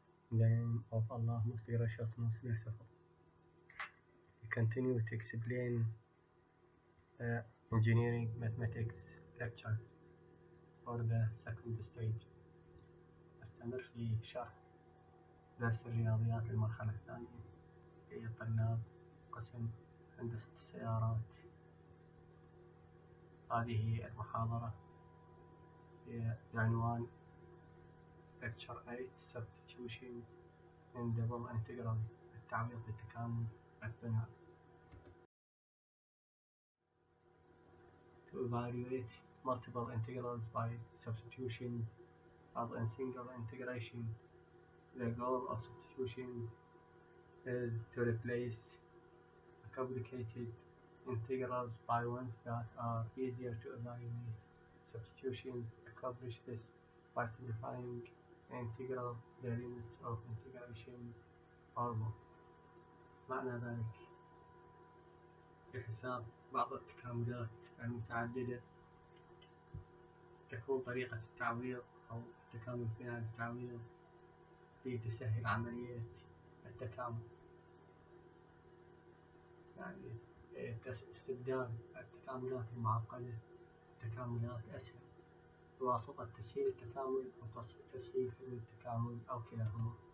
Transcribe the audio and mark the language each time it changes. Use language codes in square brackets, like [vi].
[en] Name of Allah, most gracious, most merciful. We continue to explain engineering mathematics lectures for the second stage. [ar] استمر في شرح درس الرياضيات للمرحلة الثانية لطلاب قسم هندسة السيارات. هذه المحاضرة بعنوان [en] Lecture 8 Substitutions in Double Integrals [ar] التعويض بالتكامل الثنائي. [en] To evaluate multiple integrals by substitutions as in single integration, the goal of substitutions is to replace complicated integrals by ones that are easier to evaluate. Substitutions accomplish this by simplifying integral the limits of integration or more. [ar] معنى ذلك بحساب بعض التكاملات المتعددة تكون طريقة التعويض أو التكامل الثنائي للتعويض لتسهل عملية التكامل، يعني استبدال التكاملات المعقدة تكاملات أسهل بواسطة تسهيل التكامل أو تسهيل حل التكامل أو كلاهما،